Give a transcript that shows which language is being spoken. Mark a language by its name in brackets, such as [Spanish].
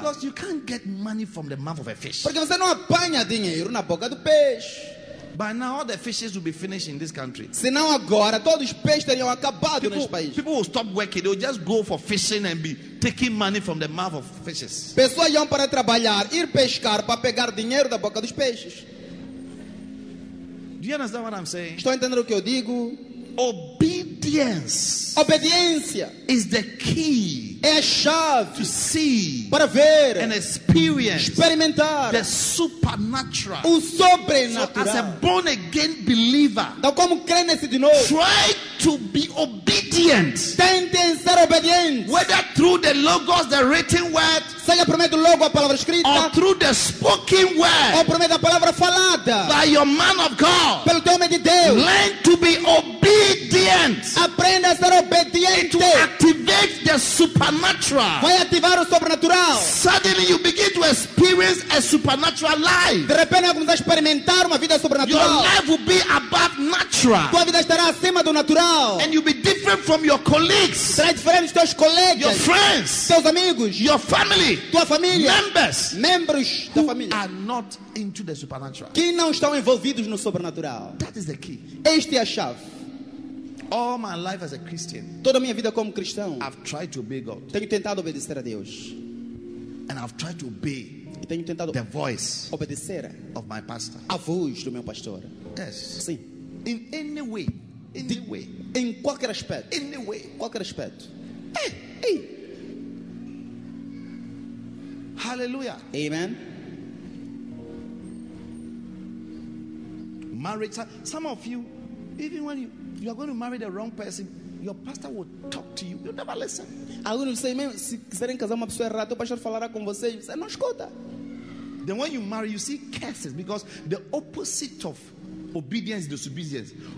[English] Because you can't get money from the mouth of a fish. [Portuguese] Porque você não apanha dinheiro na boca do peixe. [English] By now all the fishes will be finished in this country. [Portuguese] Senão agora todos os peixes teriam acabado neste país. [English] People will stop working. They will just go for fishing and be taking money from the mouth of fishes. [Portuguese] Pessoas iam para trabalhar, ir pescar para pegar dinheiro da boca dos peixes. [English] Do you understand what I'm saying? [Portuguese] Estou entendendo o que eu digo? [English] Obedience. [Portuguese] Obediência [English] is the key. [Portuguese] É a chave [English] to see, [Portuguese] para ver, [English] and experience, [Portuguese] experimentar [English] the supernatural. [Portuguese] O sobrenatural. [English] So as a born again believer, [Portuguese] então como crente de novo, [English] try to be obedient. [Portuguese] Tentem ser obedientes. [English] Whether through the logos, the written word, [Portuguese] seja por meio do logo a palavra escrita, [English] or through the spoken word, [Portuguese] ou por meio da palavra falada, [English] by your man of God, [Portuguese] pelo teu homem de Deus, [English] learn to be obedient. obedient. [Portuguese] Aprenda a ser obediente. [English] It will activate the supernatural. [Portuguese] Vai ativar o sobrenatural. [English] Suddenly you begin to experience a supernatural life. [Portuguese] De repente vai começar a experimentar uma vida sobrenatural. [English] Your life will be above natural. [Portuguese] Tua vida estará acima do natural. [English] And you'll be different from your colleagues. [Portuguese] Será diferente dos teus colegas. [English] Your friends. [Portuguese] Teus amigos. [English] Your family. [Portuguese] Tua família. [English] Members. [Portuguese] Membros da família. [English] Who are not into the supernatural. [Portuguese] Que não estão envolvidos no sobrenatural. [English] That is the key. [Portuguese] Esta é a chave. [English] All my life as a Christian, [Portuguese] toda minha vida como cristão, [English] I've tried to obey God. [Portuguese] Tenho tentado obedecer a Deus. [English] And I've tried to obey the voice [Portuguese] obedecer [English] of my pastor. [Portuguese] A voz do meu pastor. [English] Yes. [Portuguese] Sim. [English] In any way. Any way. [Portuguese] Em qualquer aspecto. [English] In any way. [Portuguese] Qualquer aspecto. [English] Hey. Hallelujah. Amen. Marriage. Some of you, even when you are going to marry the wrong person, your pastor will talk to you. You never listen. [Portuguese] Alguns dizem mesmo, se quiserem casar uma pessoa errada, o pastor falará com você. Você não escuta. [English] Then when you marry, you see curses because the opposite of obedience is disobedience.